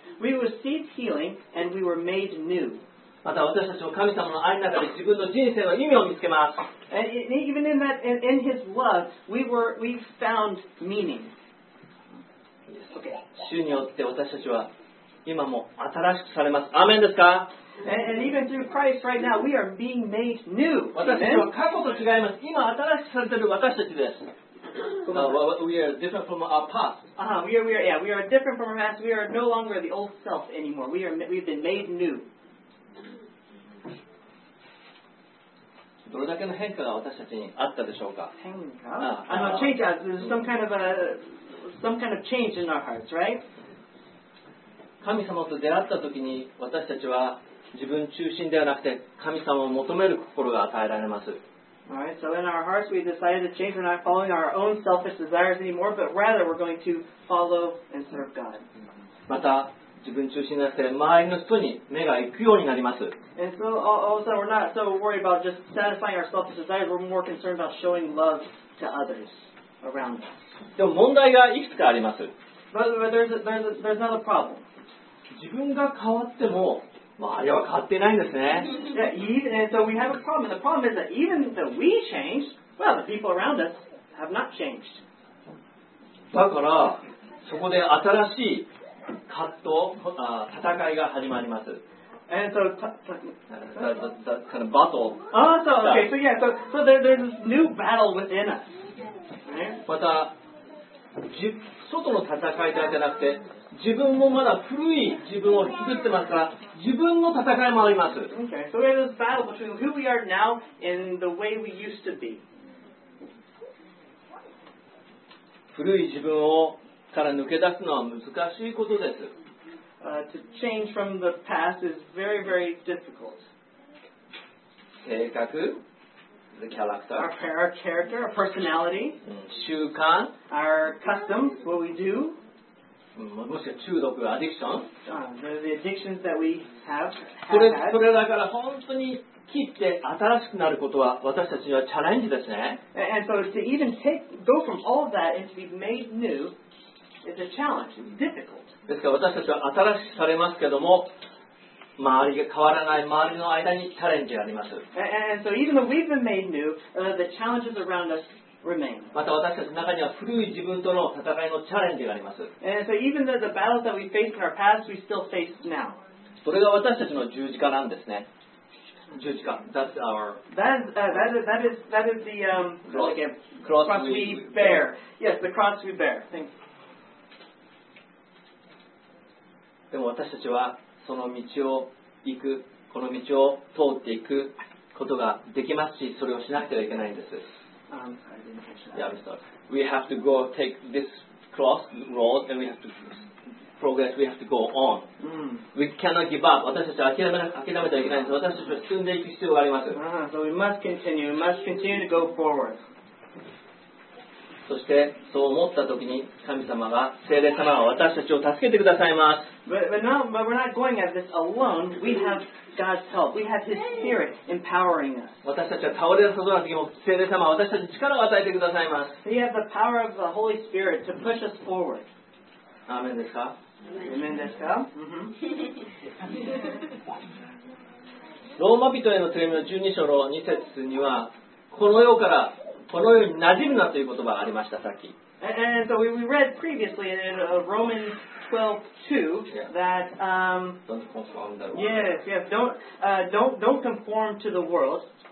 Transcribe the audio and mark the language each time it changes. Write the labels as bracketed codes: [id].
[en] We received healing and we were made new. [ja] また私たちは神様の愛の中で自分の人生の意味を見つけます。 [en] And even in that, in His love, we found meaning. Yes, okay. [ja] 主によって私たちは今も新しくされます。アーメンですか？ [en] And even through Christ right now, we are being made new. [ja] 私たちは過去と違います。今新しくされている私たちです。 [en] We are different from our past. We are different from our past. We are no longer the old self anymore. We've been made new. [ja] どれだけの変化が私たちにあったでしょうか？ [en] 変化？Change us. There's some kind of change in our hearts, right? [ja] 神様と出会った時に私たちは自分中心ではなくて神様を求める心が与えられます。 [en] Alright, so in our hearts we decided to change. We're not following our own selfish desires anymore, but rather we're going to follow and serve God. [ja] また自分中心ではなくて周りの人に目が行くようになります。 [en] And so all of a sudden we're not so worried about just satisfying our selfish desires. We're more concerned about showing love to others around us. [ja] でも問題がいくつかあります。 [en] But there's another problem. [ja] 自分が変わっても周りは変わってないんですね。 [en] So we have a problem. The problem is that even though we change, well, the people around us have not changed. [ja] だからそこで新しい葛藤、戦いが始まります。 [en] And so kind of battle. Ah, so okay. So yeah. So there's this new battle within us. [ja] また外の戦いだけじゃなくて。自分もまだ古い自分を作ってますから、自分の戦いもあります。 [en] Okay, so we have this battle between who we are now and the way we used to be. [ja] 古い自分をから抜け出すのは難しいことです。 [en] To change from the past is very, very difficult. 性格、the character, our character, our personality, [ja] 習慣、 [en] our customs, what we do. [ja] もしくは中毒、アディクション。 [en] The addictions that we have. [ja] それだから本当に切って新しくなることは私たちにはチャレンジですね。 [en] And so to even take, go from all of that and to be made new is a challenge. It's difficult. [ja] ですから私たちは新しくされますけども、周りが変わらない周りの間にチャレンジがあります。 [en] And so even though we've been made new, the challenges around us. [ja] また私たちの中には古い自分との戦いのチャレンジがあります。 [en] And so even though the battles that we faced in our past, we still face now. [ja] それが私たちの十字架なんですね。 [en] 十字架。That's our. That is the cross we bear. Yes, the cross we bear. [ja] でも私たちはその道を行く、この道を通っていくことができますし、それをしなくてはいけないんです。 [en] We have to go take this cross road and we have to progress. We have to go on. We cannot give up. [ja] 私たちは諦めてはいけないんです。私たちは進んでいく必要があります。 [en] So we must continue to go forward. そしてそう思った時に神様が聖霊様は私たちを助けてくださいます。 but we're not going at this alone. We have God's help. We have His Spirit empowering us. [ja] 私たちは倒れることの時も聖霊様は私たちに力を与えてくださいます。 [en] He has the power of the Holy Spirit to push us forward. [ja] アーメンですか？アーメンですか？ローマ人への手紙の12章の2節にはこの世からこの世に馴染むなという言葉がありました。さっき [en] And so we read previously in Romans 12:2 that don't conform to the world.